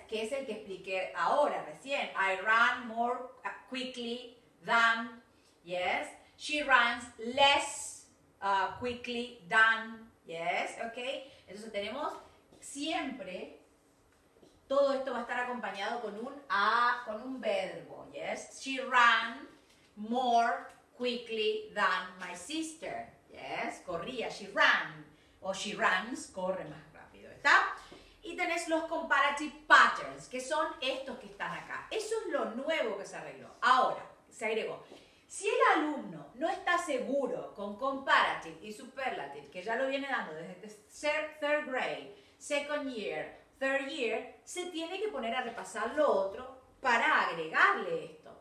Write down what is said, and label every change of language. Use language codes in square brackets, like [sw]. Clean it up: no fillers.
[es] Que es el que expliqué ahora, recién. [en] I run more quickly than. [es] ¿Yes? [en] She runs less quickly than. Yes, okay. [es] Entonces tenemos siempre todo esto va a estar acompañado con un verbo. [en] Yes, she ran more quickly than my sister. [es] Yes, corría. [en] She ran [es] o [en] she runs [es] corre más rápido. ¿Está? Y tenés los comparative patterns que son estos que están acá. Eso es lo nuevo que se arregló. Ahora se agregó. Si el alumno no está seguro con comparative y superlative, que ya lo viene dando desde third grade, second year, third year, se tiene que poner a repasar lo otro para agregarle esto.